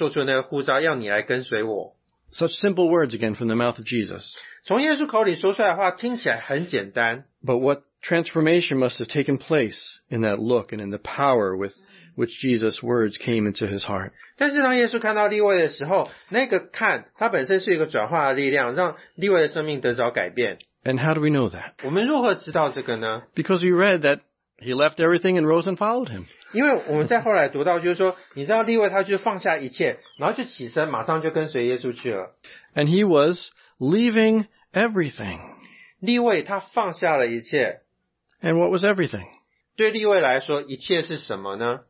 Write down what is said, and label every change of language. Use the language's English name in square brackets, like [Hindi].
[Chinese] 耶稣看他的方式可能让利未感受到耶稣那个对利未所做出的那个呼召要你来跟随我。 [English] Such simple words again from the mouth of Jesus. [Chinese] 从耶稣口里说出来的话听起来很简单。 [English] But what transformation must have taken place in that look and in the power with which Jesus' words came into his heart. [Chinese] 但是当耶稣看到利未的时候,那个看,它本身是一个转化的力量,让利未的生命得着改变。 [English] And how do we know that? [Chinese] 我们如何知道这个呢? [English] Because we read that he left everything and rose and followed him. [Chinese] 因为我们在后来读到就是说,你知道利未他就放下一切,然后就起身,马上就跟随耶稣去了。 [English] And he was leaving everything. [Chinese] 利未他放下了一切。 [English] And what was everything? [Chinese] 对利未来说,一切是什么呢?